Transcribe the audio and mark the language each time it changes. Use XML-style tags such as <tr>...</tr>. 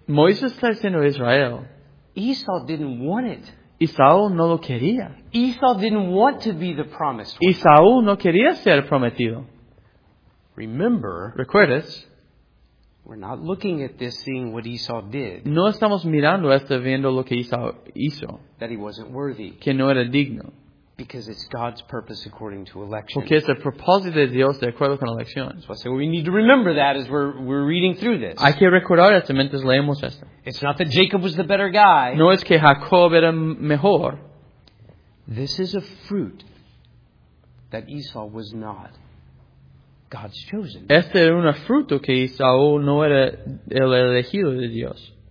<es>Moisés está diciendo a Israel.</es> <en>Esau didn't want it.</en> <es>Esaú no lo quería.</es> <en>Esau didn't want to be the promised one.</en> <es>Esaú no quería ser prometido.</es> <en>Remember.</en> <es>Recuerdas.</es> <en>We're not looking at this seeing what Esau did.</en> <es>No estamos mirando esto viendo lo que Esaú hizo.</es> <en>That he wasn't worthy.</en> <es>Que no era digno.</es> <en>Because it's God's purpose according to election.</en> <es>Porque es el propósito de Dios de acuerdo con la elección.</es> <en>So we need to remember that as we're reading through this.</en> <es>Hay que recordar esto mientras leemos esto.</es> <en>It's not that Jacob was the better guy.</en> <es>No es que Jacob era mejor.</es> <en>This is a fruit that Esau was not God's chosen.</en> <es>Este era un fruto que Esau no era el elegido de Dios.</es>